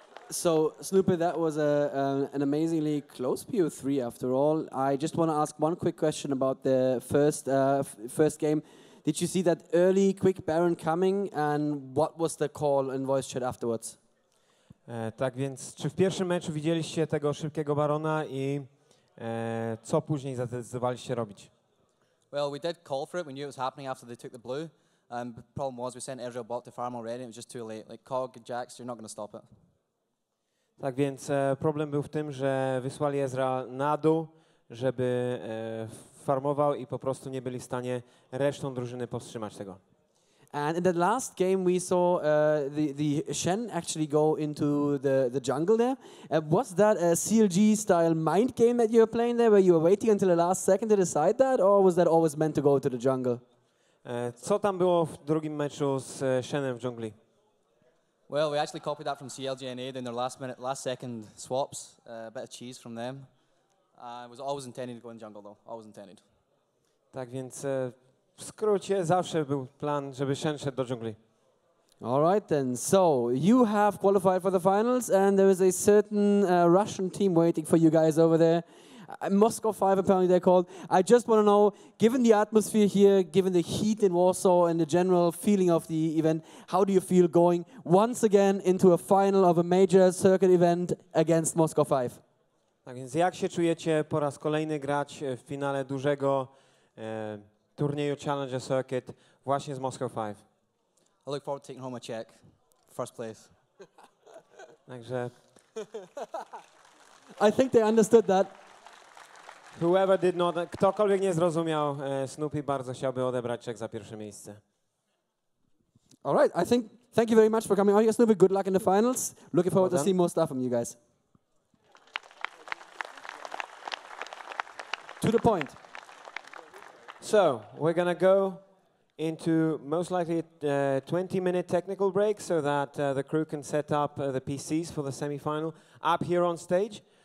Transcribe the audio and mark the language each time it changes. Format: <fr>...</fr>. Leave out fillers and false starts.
<en>So, Snoopy, that was an amazingly close PO3 after all. I just want to ask one quick question about the first game. Did you see that early, quick Baron coming? And what was the call in voice chat afterwards?</en> <pl>Tak więc, czy w pierwszym meczu widzieliście tego szybkiego Barona i co później zadecydowaliście robić?</pl> <en>Well, we did call for it. We knew it was happening after they took the blue. The problem was we sent Ezreal bot to farm already. It was just too late. Like, Cog, Jax, you're not going to stop it.</en> <pl>Tak więc problem był w tym, że wysłali Ezra na dół, żeby farmował i po prostu nie byli w stanie resztą drużyny powstrzymać tego.</pl> <en>And in the last game we saw the Shen actually go into the jungle there. Was that a CLG style mind game that you were playing there, where you were waiting until the last second to decide that, or was that always meant to go to the jungle?</en> <pl>Co tam było w drugim meczu z Shenem w dżungli?</pl> <en>Well, we actually copied that from CLG.eu in their last second swaps, a bit of cheese from them. It was always intended to go in jungle, though. Always intended.</en> <pl>Tak więc w skrócie zawsze był plan, żeby Shen szedł do dżungli.</pl> <en>All right then. So you have qualified for the finals, and there is a certain Russian team waiting for you guys over there. Moscow 5, apparently they're called. I just want to know, given the atmosphere here, given the heat in Warsaw and the general feeling of the event, how do you feel going once again into a final of a major circuit event against Moscow 5?</en> <pl>Tak więc jak się czujecie po raz kolejny grać w finale dużego turnieju Challenger Circuit właśnie z Moscow 5?</pl> <en>I look forward to taking home a check. First place.</en> <pl>Także...</pl> <en>I think they understood that. Whoever did not,</en> <pl>ktokolwiek nie zrozumiał, Snoopy bardzo chciałby odebrać czek za pierwsze miejsce.</pl> <en>All right, I think, thank you very much for coming on here, Snoopy. Good luck in the finals. Looking forward to seeing more stuff from you guys. To the point. So, we're going to go into most likely a 20-minute technical break so that the crew can set up the PCs for the semi-final up here on stage.</en>